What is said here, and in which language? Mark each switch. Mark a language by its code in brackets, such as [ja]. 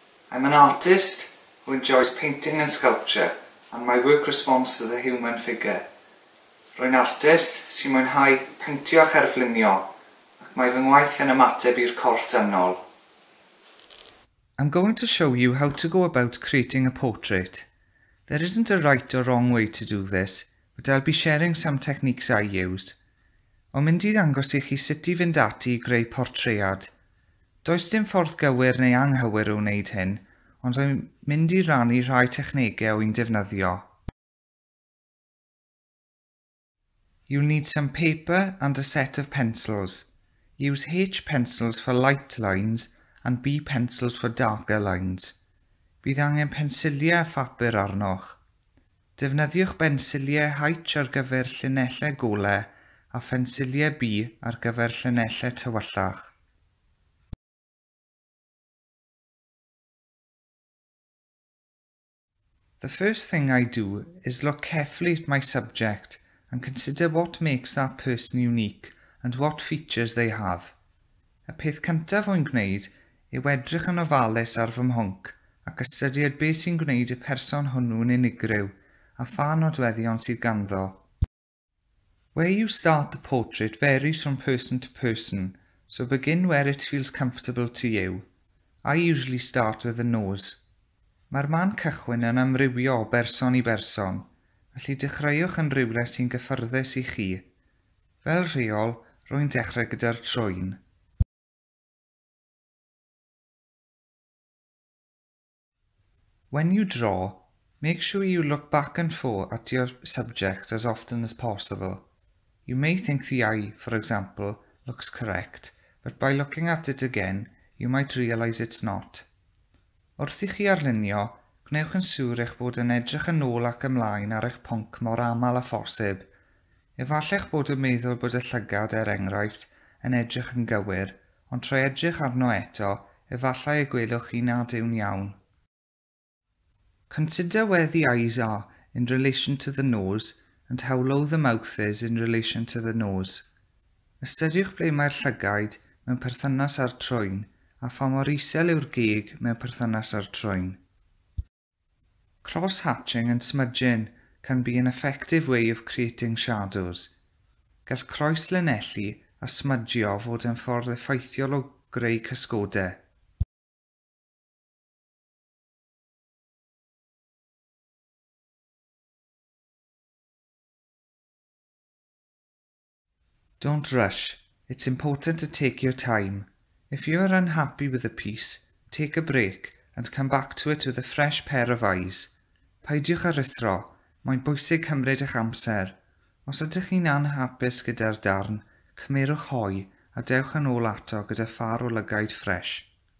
[en] I'm an artist who enjoys painting and sculpture, and my work responds to the human figure. [cy] Rwy'n artist sy'n mwynhau peintio a cherflunio, ac mae fy ngwaith yn ymateb i'r corff dynol. [en] I'm going to show you how to go about creating a portrait. There isn't a right or wrong way to do this, but I'll be sharing some techniques I used. [cy] Ond mynd i ddangos i chi sut i fynd ati i greu portread. Does dim ffordd gywir neu anghywir o wneud hyn, ond rwy'n mynd i rannu rhai technegau o'i'n defnyddio. [en] You'll need some paper and a set of pencils. Use H pencils for light lines and B pencils for darker lines. [cy] Bydd angen pensiliau a phapur arnoch. Defnyddiwch bensiliau H ar gyfer llinellau golau a phensiliau B ar gyfer llinellau tywyllach. [en] The first thing I do is look carefully at my subject and consider what makes that person unique and what features they have. [cy] Y peth cyntaf o'n gwneud yw edrych yn ofalus ar fy mhwnc ac ystyried beth sy'n gwneud y person hwnnw'n unigryw a pha nodweddion sydd ganddo. [en] Where you start the portrait varies from person to person, so begin where it feels comfortable to you. I usually start with the nose. [cy] Mae'r man cychwyn yn amrywio o berson i berson, felly dechreuwch yn rywle sy'n gyffyrddus i chi. Fel rheol, rwy'n dechrau gyda'r trwyn. [en] When you draw, make sure you look back and forth at your subject as often as possible. You may think the eye, for example, looks correct, but by looking at it again, you might realise it's not. [cy] Wrth i chi arlunio, gwnewch yn siŵr eich bod yn edrych yn ôl ac ymlaen ar eich pwnc mor aml a phosib. Efallai'ch bod yn meddwl bod y llygad, er enghraifft, yn edrych yn gywir, ond trwy edrych arno eto, efallai y gwelwch chi nad yw'n iawn. [en] Consider where the eyes are in relation to the nose and how low the mouth is in relation to the nose. [cy] Ystyriwch ble mae'r llygaid mewn perthynas â'r trwyn a pha mor isel yw'r gig mewn perthynas â'r trwyn. [en] Cross-hatching and smudging can be an effective way of creating shadows. [cy] Gall croes linelli a smudgio fod yn ffordd effeithiol o greu cysgodau. [en] Don't rush. It's important to take your time. If you are unhappy with the piece, take a break and come back to it with a fresh pair of eyes. [cy] Peidiwch aruthro. Mae'n bwysig cymryd eich amser. Os ydych chi'n anhapus gyda'r darn, cymerwch hoi a dewch yn ôl ato gyda ffar o lygaid fresh.